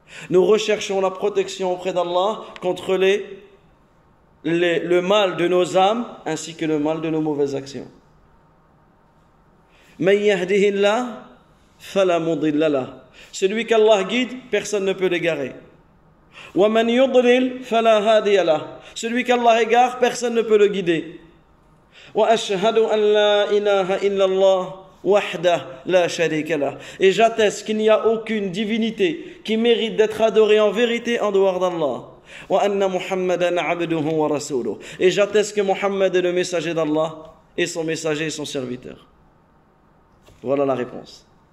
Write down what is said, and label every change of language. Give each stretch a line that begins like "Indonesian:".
French: Nous recherchons la protection auprès d'Allah contre le mal de nos âmes ainsi que le mal de nos mauvaises actions.
Arabic: Man yahdihillah fala mudilla la.
French: Celui qu'Allah guide, personne ne peut l'égarer.
Arabic: Wa man yudlil fala hadiya la.
French: Celui qu'Allah égare, personne ne peut le guider.
Arabic: وأشهد أن لا إله إلا الله وحده لا شريك له.
French: Et j'atteste qu'il n'y a aucune divinité qui mérite d'être adorée en vérité en dehors d'Allah.
Arabic: وأن محمدا عبده ورسوله.
French: Et j'atteste que Mohammed est le messager d'Allah et son messager et son serviteur. Voilà la réponse.